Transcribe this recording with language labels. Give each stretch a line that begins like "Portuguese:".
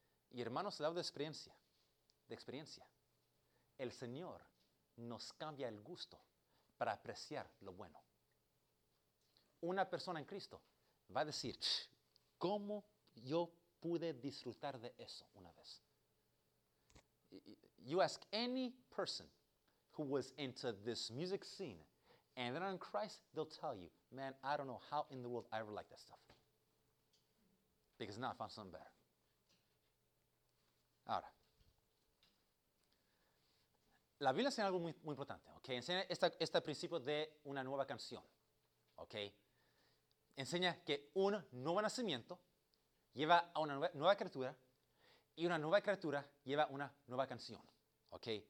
Spanish: Y hermanos, se da de experiencia, el Señor nos cambia el gusto para apreciar lo bueno. Una persona en Cristo va a decir, ¿cómo yo pude disfrutar de eso una vez?
English: You ask any person who was into this music scene and they're in Christ, they'll tell you, man, I don't know how in the world I ever liked that stuff. Because now I found something better.
Spanish: Ahora, la Biblia enseña algo muy, muy importante, ¿ok? Enseña este principio de una nueva canción, ¿ok? Enseña que un nuevo nacimiento lleva a una nueva criatura y una nueva criatura lleva a una nueva canción. ¿Ok?